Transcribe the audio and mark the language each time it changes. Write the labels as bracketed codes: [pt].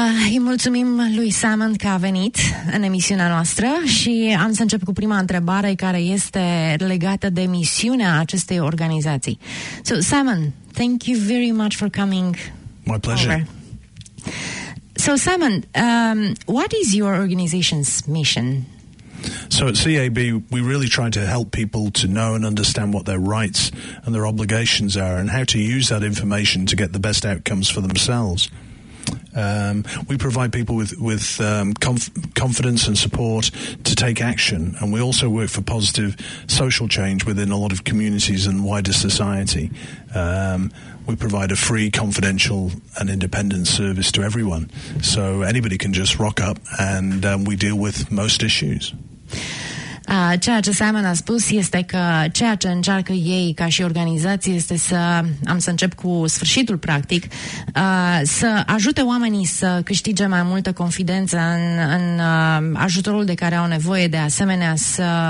[ro] Îi mulțumim lui Simon că a venit în emisiunea noastră și am să încep cu prima întrebare, care este legată de misiunea acestei organizații. [en] So, Simon, thank you very much for coming. My pleasure. Over. So, Simon, what is your organization's mission? So at CAB, we really try to help people to know and understand what their rights and their obligations are and how to use that information to get the best outcomes for themselves. We provide people with confidence and support to take action, and we also work for positive social change within a lot of communities and wider society. We provide a free, confidential and independent service to everyone, so anybody can just rock up and we deal with most issues. [ro] Ceea ce Simon a spus este că ceea ce încearcă ei ca și organizație este să, am să încep cu sfârșitul practic, să ajute oamenii să câștige mai multă confidență în ajutorul de care au nevoie, de asemenea să